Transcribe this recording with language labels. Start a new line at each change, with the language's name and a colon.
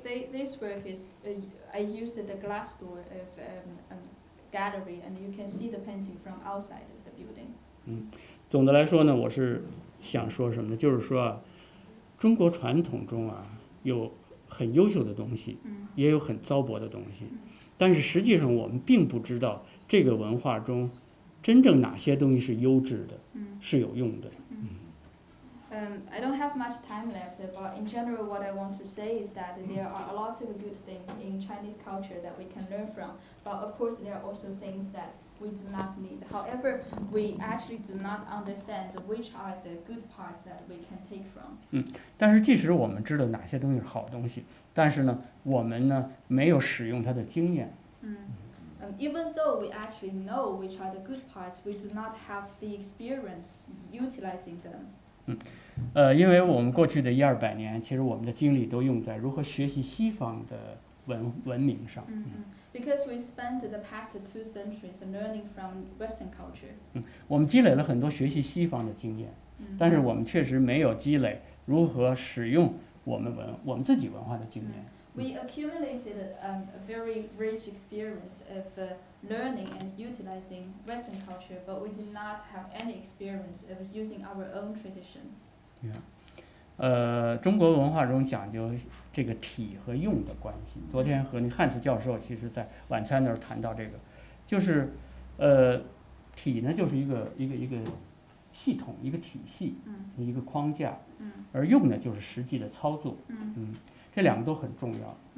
English: This work is I used the glass door of gallery, and you can see the painting from outside of the building.
Chinese: 总的来说呢，我是想说什么呢？就是说啊，中国传统中啊有很优秀的东西，也有很糟粕的东西，但是实际上我们并不知道这个文化中真正哪些东西是优质的，是有用的。
English: I don't have much time left, but in general what I want to say is that there are a lot of good things in Chinese culture that we can learn from, but of course there are also things that we do not need. However, we actually do not understand which are the good parts that we can take from.
Chinese: 但是即使我们知道哪些东西是好东西，但是呢，我们呢，没有使用它的经验。
English: Even though we actually know which are the good parts, we do not have the experience utilizing them.
Chinese: 因为我们过去的一二百年，其实我们的精力都用在如何学习西方的文明上。
English: Because we spent the past two centuries learning from Western culture.
Chinese: 我们积累了很多学习西方的经验，但是我们确实没有积累如何使用我们自己文化的经验。
English: We accumulated a very rich experience of learning and utilizing Western culture, but we did not have any experience of using our own tradition. Yeah.
Chinese: 中国文化中讲究这个体和用的关系。昨天和汉斯教授其实在晚餐那儿谈到这个，就是体呢就是一个系统，一个体系，一个框架，而用呢就是实际的操作，这两个都很重要。